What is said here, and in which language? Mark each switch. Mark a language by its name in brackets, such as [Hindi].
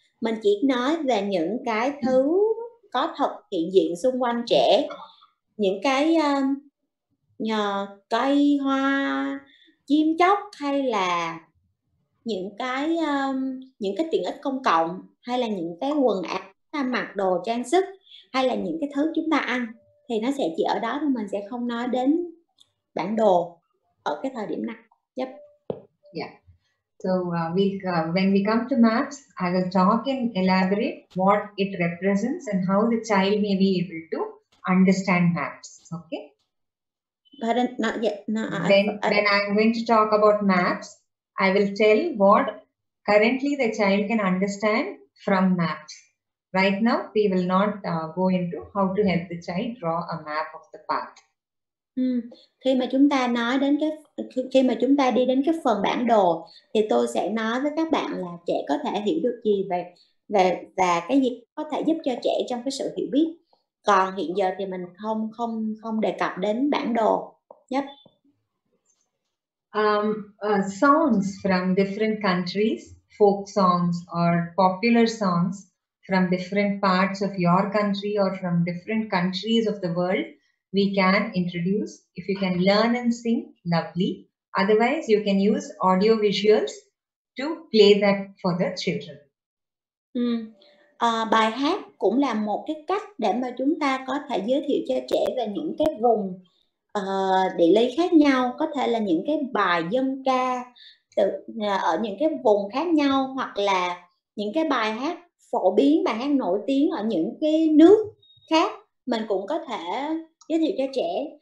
[Vietnamese] Mình chỉ nói về những cái thứ có thật hiện diện xung quanh trẻ, những cái nhờ cây hoa chim chóc, hay là những cái tiện ích công cộng, hay là những cái quần áo mặc, đồ trang sức, hay là những cái thứ chúng ta ăn, thì nó sẽ chỉ ở đó thôi. Mình sẽ không nói đến bản đồ ở cái thời điểm này. [English] Yep. Yeah. So when we come to maps, I will talk and elaborate what it represents and how the child may be able to understand maps. Okay. But not yet. Then I'm going to talk about maps. I will tell what currently the child can understand from maps. Right now, we will not go into how to help the child draw a map of the path. [Vietnamese] Khi mà chúng ta nói đến cái khi mà chúng ta đi đến cái phần bản đồ thì tôi sẽ nói với các bạn là trẻ có thể hiểu được gì về về và cái gì có thể giúp cho trẻ trong cái sự hiểu biết. Còn hiện giờ thì mình không đề cập đến bản đồ nhất. [English] Songs from different countries, folk songs or popular songs from different parts of your country or from different countries of the world, we can introduce. If you can learn and sing, lovely. Otherwise, you can use audio visuals to play that for the children. [Vietnamese] Bài hát cũng là một cái cách để mà chúng ta có thể giới thiệu cho trẻ về những cái vùng địa lý khác nhau, có thể là những cái bài dân ca từ, ở những cái vùng khác nhau, hoặc là những cái bài hát phổ biến, bài hát nổi tiếng ở những cái nước khác, mình cũng có thể giới thiệu cho trẻ.